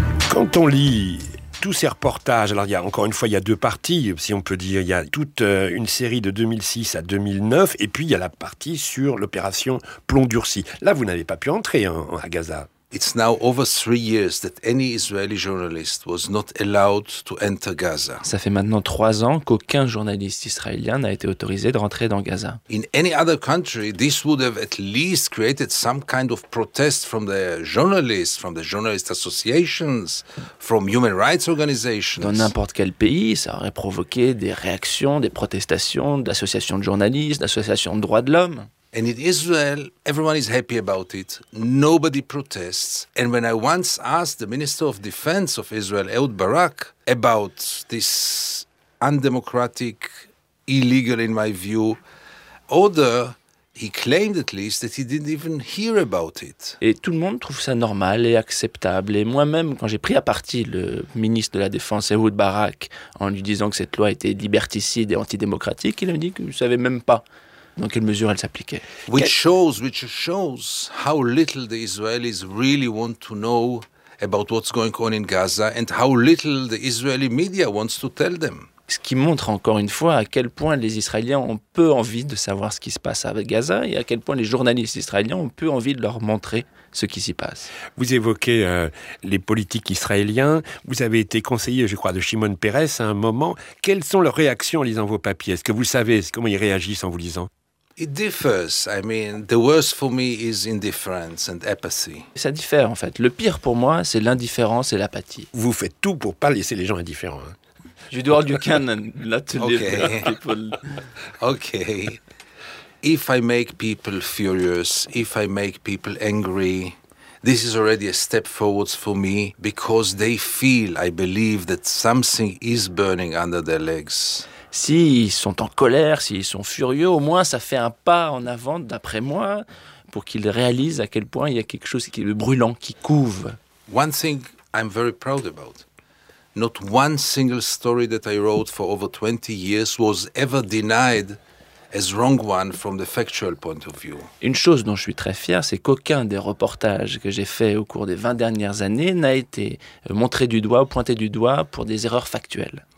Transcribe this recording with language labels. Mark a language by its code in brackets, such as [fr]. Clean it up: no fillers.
[fr] Quand on lit tous ces reportages, alors il y a encore une fois, il y a deux parties, si on peut dire. Il y a toute une série de 2006 à 2009, et puis il y a la partie sur l'opération Plomb Durci. Là, vous n'avez pas pu entrer à Gaza. [en] It's now over 3 years that any Israeli journalist was not allowed to enter Gaza. [fr] Ça fait maintenant 3 ans qu'aucun journaliste israélien n'a été autorisé de rentrer dans Gaza. [en] In any other country, this would have at least created some kind of protest from the journalist associations, from human rights organizations. [fr] Dans n'importe quel pays, ça aurait provoqué des réactions, des protestations d'associations de journalistes, d'associations de droits de l'homme. [en] And in Israel, everyone is happy about it. Nobody protests. And when I once asked the Minister of Defense of Israel, Ehud Barak, about this undemocratic, illegal, in my view, order, he claimed at least that he didn't even hear about it. [fr] Et tout le monde trouve ça normal et acceptable. Et moi-même, quand j'ai pris à partie le ministre de la Défense, Ehud Barak, en lui disant que cette loi était liberticide et antidémocratique, il a dit que je ne savais même pas. Dans quelle mesure elle s'appliquait. [en] Which shows how little the Israelis really want to know about what's going on in Gaza and how little the Israeli media wants to tell them. [fr] Ce qui montre encore une fois à quel point les Israéliens ont peu envie de savoir ce qui se passe à Gaza et à quel point les journalistes israéliens ont peu envie de leur montrer ce qui s'y passe. Vous évoquez les politiques israéliens. Vous avez été conseiller, je crois, de Shimon Peres à un moment. Quelles sont leurs réactions en lisant vos papiers? Est-ce que vous savez comment ils réagissent en vous lisant? [en] It differs. I mean, the worst for me is indifference and apathy. [fr] Ça diffère, en fait. Le pire pour moi, c'est l'indifférence et l'apathie. Vous faites tout pour ne pas laisser les gens indifférents. [en] You do all you can not to leave people. Okay. If I make people furious, if I make people angry, this is already a step forwards for me because they feel, I believe, that something is burning under their legs. [fr] S'ils sont en colère, s'ils sont furieux, au moins ça fait un pas en avant, d'après moi, pour qu'ils réalisent à quel point il y a quelque chose qui est brûlant, qui couve. [en] One thing I'm very proud about. Not one single story that I wrote for over 20 years was ever denied as wrong one from the factual point of view. [fr] Une chose dont je suis très fier, c'est qu'aucun des reportages que j'ai fait au cours des 20 dernières années n'a été montré du doigt ou pointé du doigt pour des erreurs factuelles.